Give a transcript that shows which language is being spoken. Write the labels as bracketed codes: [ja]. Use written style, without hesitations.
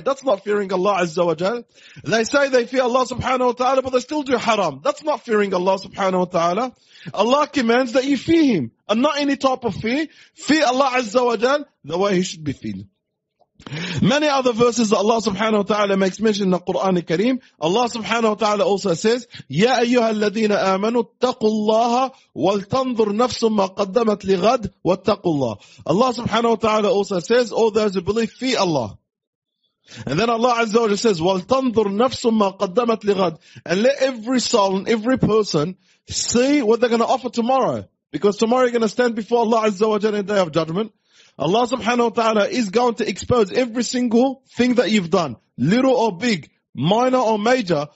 [en] That's not fearing Allah azza wa jal. They say they fear Allah subhanahu wa ta'ala, but they still do haram. That's not fearing Allah subhanahu wa ta'ala. Allah commands that you fear him, and not any type of fear. Fear Allah azza wa jal the way he should be feared. Many other verses that Allah subhanahu wa ta'ala makes mention in the Quran al-Kareem. Allah subhanahu wa ta'ala also says, [ar] يَا أَيُّهَا الَّذِينَ آمَنُوا اتَّقُوا اللَّهَ وَالْتَنْظُرْ نَفْسٌ مَّا قَدَّمَتْ لِغَدْ وَاتَّقُوا اللَّهَ. [en] Allah subhanahu wa ta'ala also says, all those who believe, fear Allah. And then Allah azza wa jalla says, [ar] وَالْتَنْظُرْ نَفْسٌ مَّا قَدَّمَتْ لِغَدْ. [en] And let every soul and every person see what they're going to offer tomorrow. Because tomorrow you're going to stand before Allah azza wa jalla in the day of judgment. Allah subhanahu wa ta'ala is going to expose every single thing that you've done, little or big, minor or major.